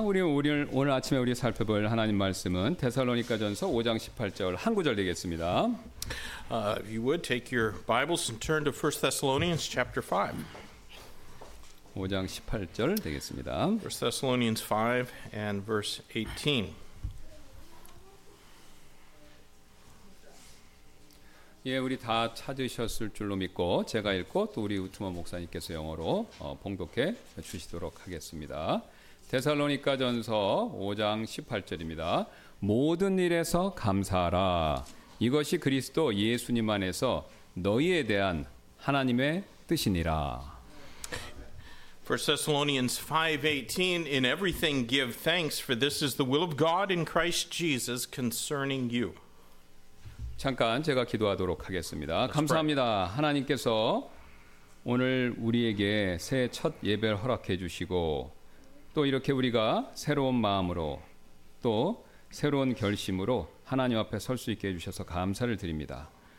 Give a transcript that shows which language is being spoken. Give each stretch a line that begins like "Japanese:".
Korean: 우리 오늘 아침에 우리 살펴볼 하나님 말씀은 데살로니가전서 5장 18절 한 구절 되겠습니다.
English: If you would take your Bibles and turn to 1 Thessalonians chapter 5.
Korean: 5장 18절 되겠습니다.
English: 1 Thessalonians 5 and verse 18.
Korean: 예, 우리 다 찾으셨을 줄로 믿고 제가 읽고 또 우리 우트먼 목사님께서 영어로 봉독해 주시도록 하겠습니다. 데살로니가전서 5장 18절입니다. 모든 일에서 감사하라. 이것이 그리스도 예수님 안에서 너희에 대한 하나님의 뜻이니라.
English: 1 Thessalonians 5:18 In everything give thanks, for this is the will of God in Christ Jesus concerning you.
Korean: 잠깐 제가 기도하도록 하겠습니다. 감사합니다. 하나님께서 오늘 우리에게 새 첫 예배를 허락해 주시고 또 이렇게 우리가 새로운 마음으로 또 새로운 결심으로 하나님 앞에 설 수 있게 해 주셔서 감사를 드립니다.